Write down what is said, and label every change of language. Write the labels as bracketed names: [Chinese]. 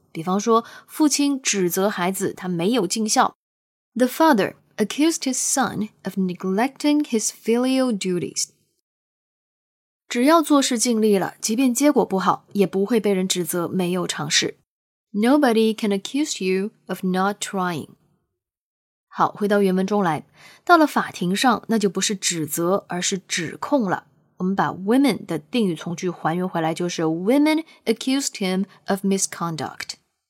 [Chinese] 比方说父亲指责孩子他没有尽孝。 [English] The father accused his son of neglecting his filial duties. [Chinese] 只要做事尽力了，即便结果不好，也不会被人指责没有尝试。 [English] Nobody can accuse you of not trying. [Chinese] 好，回到原文中来。到了法庭上，那就不是指责，而是指控了。我们把 women 的定语从句还原回来，就是 [English] women accused him of misconduct。